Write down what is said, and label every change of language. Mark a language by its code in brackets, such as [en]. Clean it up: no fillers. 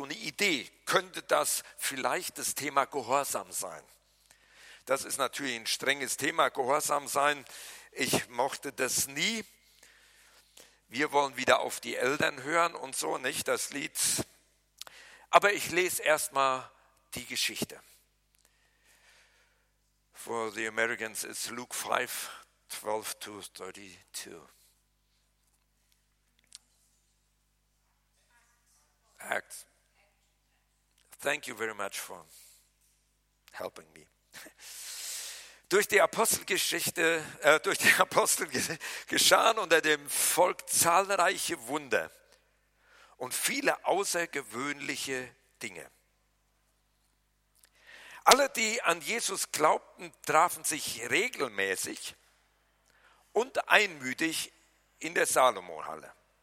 [de] So eine Idee, könnte das vielleicht das Thema Gehorsam sein? Das ist natürlich ein strenges Thema, Gehorsam sein. Ich mochte das nie. Wir wollen wieder auf die Eltern hören und so, nicht das Lied. Aber ich lese erstmal die Geschichte. [en] For the Americans, it's Luke 5, 12 to 32. Acts. Thank you very much for helping me. [de] Durch die Apostel geschahen unter dem Volk zahlreiche Wunder und viele außergewöhnliche Dinge. Alle, die an Jesus glaubten, trafen sich regelmäßig und einmütig in der Salomonhalle.